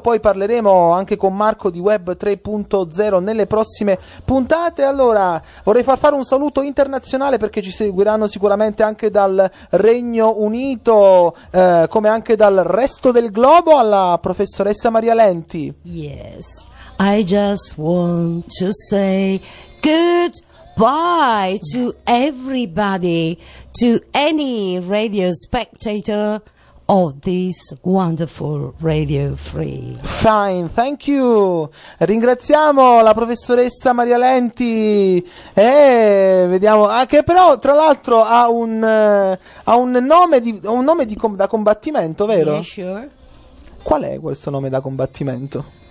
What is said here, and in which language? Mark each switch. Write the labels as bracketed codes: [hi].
[it] poi parleremo anche con Marco di web 3.0 nelle prossime puntate. Allora, vorrei far fare un saluto internazionale, perché ci seguiranno sicuramente anche dal Regno Unito come anche dal resto del globo, alla professoressa Maria Lenti. [en] Yes, I just want to say good bye to everybody, to any radio spectator of this wonderful Radio Free. Fine, thank you. [it] Ringraziamo la professoressa Maria Lenti. E vediamo, anche però tra l'altro ha un nome da combattimento, vero? [en] Yeah, sure. [it] Qual è questo nome da combattimento?